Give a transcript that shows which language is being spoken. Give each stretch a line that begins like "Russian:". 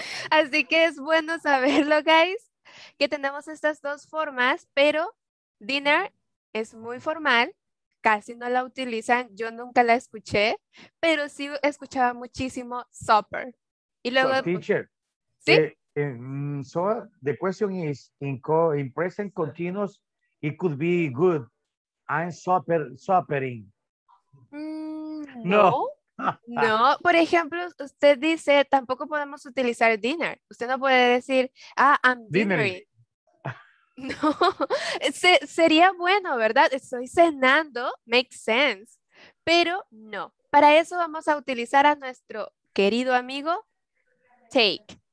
Spanish: Así que es bueno saberlo, guys, que tenemos estas dos formas, pero dinner es muy formal, casi no la utilizan, yo nunca la escuché, pero sí escuchaba muchísimo supper. Y luego,
English: well, teacher,
Spanish: ¿sí?
English: So the question is, in present continuous, it could be good, I'm suppering.
Spanish: No. No, por ejemplo, usted dice, tampoco podemos utilizar dinner. Usted no puede decir, ah,
English: I'm dinnering.
Spanish: No, sería bueno, ¿verdad? Estoy cenando,
English: makes sense.
Spanish: Pero no, para eso vamos a utilizar a nuestro querido amigo, take.